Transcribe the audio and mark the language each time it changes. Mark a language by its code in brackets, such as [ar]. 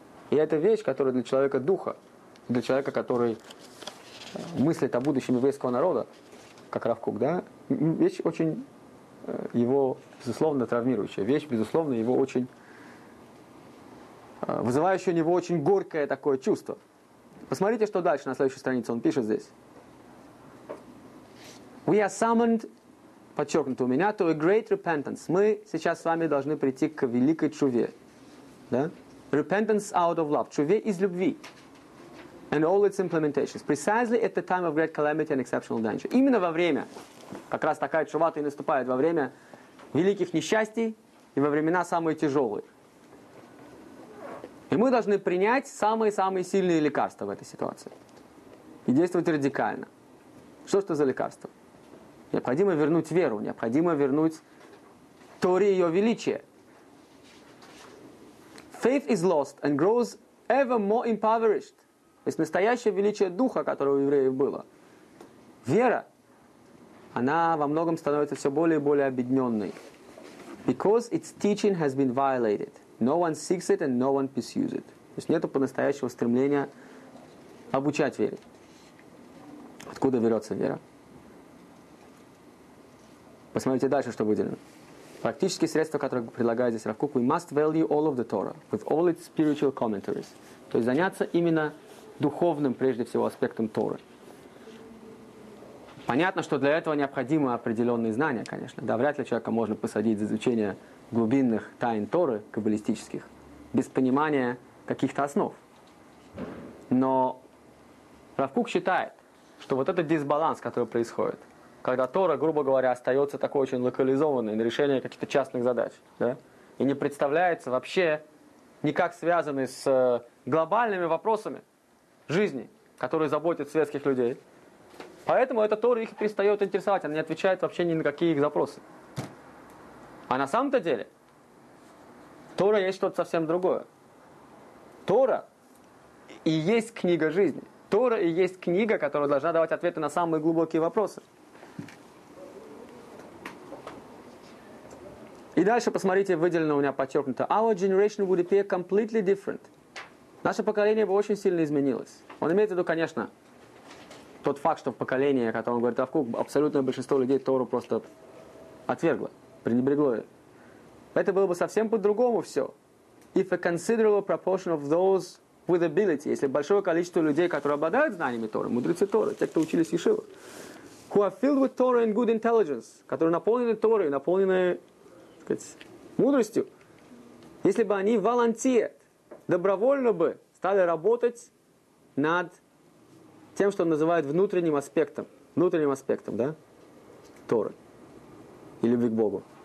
[ru] И это вещь, которая для человека духа, для человека, который мыслит о будущем еврейского народа, как Рав Кук, да, вещь очень его, безусловно, травмирующая. Вещь, безусловно, его очень вызывающая у него очень горькое такое чувство. Посмотрите, что дальше на следующей странице он пишет здесь. [en] We are summoned, [ru] подчеркнуто у меня, [en] to a great repentance. [ru] Мы сейчас с вами должны прийти к великой чуве. Да? [en] Repentance out of love. [ru] Чуве из любви. [en] And all its implementations. Precisely at the time of great calamity and exceptional danger. [ru] Именно во время, как раз такая чува-то и наступает, во время великих несчастий и во времена самые тяжелые. И мы должны принять самые-самые сильные лекарства в этой ситуации. И действовать радикально. Что за лекарства? Необходимо вернуть веру, необходимо вернуть Торе ее величие. [en] Faith is lost and grows ever more impoverished. [ru] То есть настоящее величие духа, которое у евреев было. Вера, она во многом становится все более и более обедненной. [en] Because its teaching has been violated. No one seeks it and no one pursues it. [ru] То есть нету по-настоящему стремления обучать вере. Откуда берется вера? Посмотрите дальше, что выделено. Практические средства, которые предлагает здесь Рав Кук. [en] We must value all of the Torah with all its spiritual commentaries. [ru] То есть заняться именно духовным, прежде всего, аспектом Торы. Понятно, что для этого необходимы определенные знания, конечно. Да, вряд ли человека можно посадить за изучение глубинных тайн Торы, каббалистических, без понимания каких-то основ. Но Рав Кук считает, что вот этот дисбаланс, который происходит, когда Тора, грубо говоря, остается такой очень локализованной на решение каких-то частных задач, да, и не представляется вообще никак связанной с глобальными вопросами жизни, которые заботят светских людей, поэтому эта Тора их перестает интересовать, она не отвечает вообще ни на какие их запросы. А на самом-то деле Тора есть что-то совсем другое. Тора и есть книга жизни. Тора и есть книга, которая должна давать ответы на самые глубокие вопросы. И дальше посмотрите, выделено у меня подчеркнуто. [en] Our generation would appear completely different. [ru] Наше поколение бы очень сильно изменилось. Он имеет в виду, конечно, тот факт, что в поколении, о котором говорит Равкук, абсолютное большинство людей Тору просто отвергло, пренебрегло ее. Это было бы совсем по-другому все. [en] If a considerable proportion of those with ability, [ru] если большое количество людей, которые обладают знаниями Торы, мудрецы Торы, те, кто учились в Ешивах, [en] who are filled with Torah and good intelligence, [ru] которые наполнены Торой, наполнены, так сказать, мудростью, если бы они [en] volunteered, [ru] добровольно бы стали работать над тем, что он называет внутренним аспектом, да, Торы и любви к Богу.